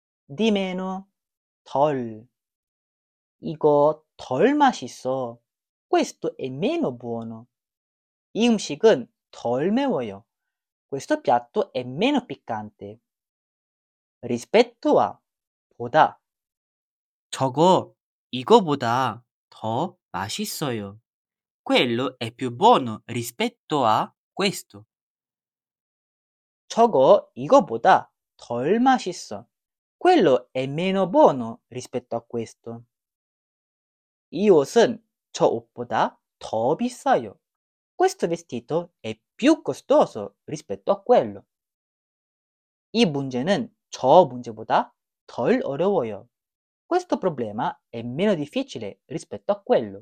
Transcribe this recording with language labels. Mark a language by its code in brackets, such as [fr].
[ko] Di meno, 덜. 이거 덜 맛있어. [it] Questo è meno buono. [ko] 이 음식은 덜 매워요. [it] Questo piatto è meno piccante. Rispetto a, 보다. [ko] 저거 이거보다 더 맛있어요. [it] Quello è più buono rispetto a questo. [ko] 저거 이거보다 덜 맛있어. [it] Quello è meno buono rispetto a questo. [ko] 이 옷은 저 옷보다 더 비싸요. [it] Questo vestito è più costoso rispetto a quello. [ko] 이 문제는 저 문제보다 덜 어려워요. [it] Questo problema è meno difficile rispetto a quello.